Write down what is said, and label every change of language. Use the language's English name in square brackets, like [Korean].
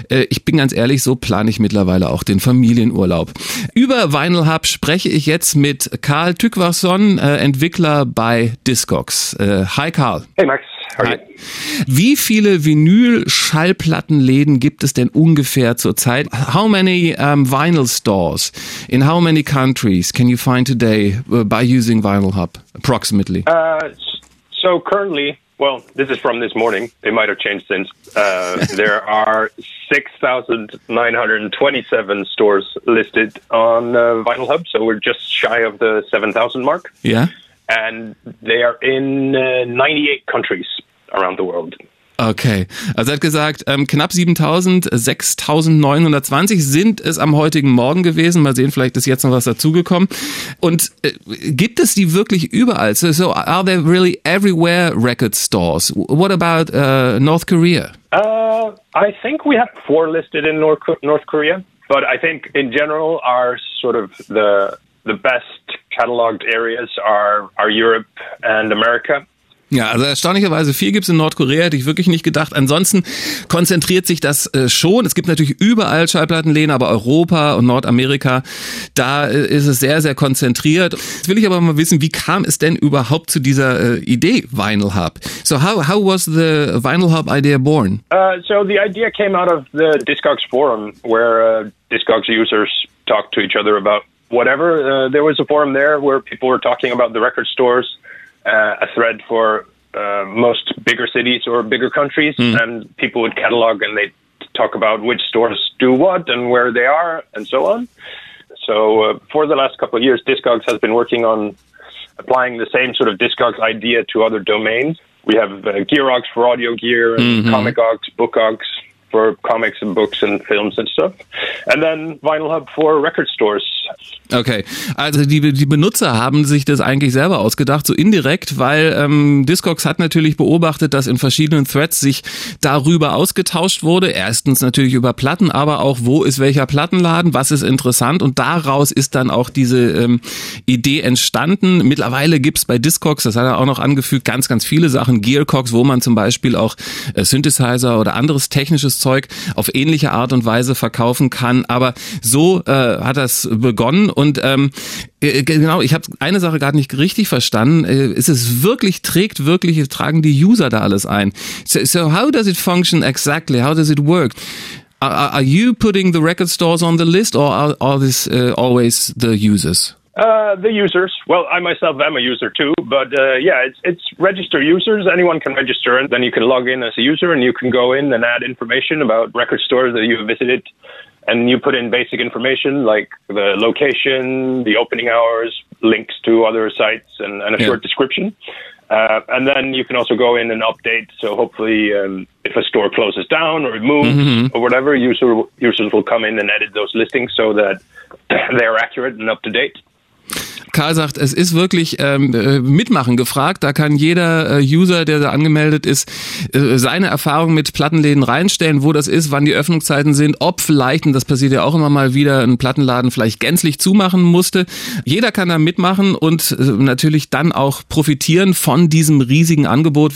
[German] Ich bin ganz ehrlich, so plane ich mittlerweile auch den Familienurlaub. Über Vinyl Hub spreche ich jetzt mit Karl Tykwason, Entwickler bei Discogs. Hi Karl. Hey Max. Wie viele Vinyl-Schallplattenläden gibt es denn ungefähr zurzeit? [English] How many vinyl stores in how many countries can you find today by using Vinyl Hub, approximately? So currently, well, this is from this morning. They might have changed since. there are 6,927 stores listed on Vinyl Hub, so we're just shy of the 7,000 mark. Yeah. And they are in 98 countries around the world. [German] Okay, also er hat gesagt, knapp 6.920 sind es am heutigen Morgen gewesen. Mal sehen, vielleicht ist jetzt noch was dazugekommen. Und gibt es die wirklich überall? [English] So are there really everywhere record stores? What about North Korea? I think we have 4 listed in North Korea. But I think in general are sort of the best cataloged areas are Europe and America. [German] Ja, also erstaunlicherweise 4 gibt's in Nordkorea, hätte ich wirklich nicht gedacht. Ansonsten konzentriert sich das schon. Es gibt natürlich überall Schallplattenläden, aber Europa und Nordamerika, da ist es sehr, sehr konzentriert. Jetzt will ich aber mal wissen, wie kam es denn überhaupt zu dieser Idee Vinyl Hub? [English] So how was the Vinyl Hub idea born? So the idea came out of the Discogs forum, where Discogs users talk to each other about whatever. There was a forum there where people were talking about the record stores. A thread for most bigger cities or bigger countries, and people would catalog and they'd talk about which stores do what and where they are and so on. So for the last couple of years, Discogs has been working on applying the same sort of Discogs idea to other domains. We have Gearogs for audio gear, Comicogs, Bookogs for comics and books and films and stuff. And then Vinyl Hub for record stores. [German] Okay, also die Benutzer haben sich das eigentlich selber ausgedacht, so indirekt, weil Discogs hat natürlich beobachtet, dass in verschiedenen Threads sich darüber ausgetauscht wurde. Erstens natürlich über Platten, aber auch wo ist welcher Plattenladen, was ist interessant, und daraus ist dann auch diese Idee entstanden. Mittlerweile gibt es bei Discogs, das hat er auch noch angefügt, ganz, ganz viele Sachen, Gearcogs, wo man zum Beispiel auch Synthesizer oder anderes technisches Zeug auf ähnliche Art und Weise verkaufen kann, aber so hat das begonnen. Und genau, ich habe eine Sache gerade nicht richtig verstanden. Ist es wirklich, tragen die User da alles ein? [English] So how does it function exactly? How does it work? Are you putting the record stores on the list, or are this always the users? The users. Well, I myself am a user too, but yeah, it's register users. Anyone can register, and then you can log in as a user and you can go in and add information about record stores that you have visited. And you put in basic information like the location, the opening hours, links to other sites, and a short description. And then you can also go in and update. So hopefully if a store closes down or it moves or whatever, users will come in and edit those listings so that they are accurate and up to date. [German] Karl sagt, es ist wirklich Mitmachen gefragt. Da kann jeder User, der da angemeldet ist, seine Erfahrung mit Plattenläden reinstellen, wo das ist, wann die Öffnungszeiten sind, ob vielleicht, und das passiert ja auch immer mal wieder, ein Plattenladen vielleicht gänzlich zumachen musste. Jeder kann da mitmachen und natürlich dann auch profitieren von diesem riesigen Angebot.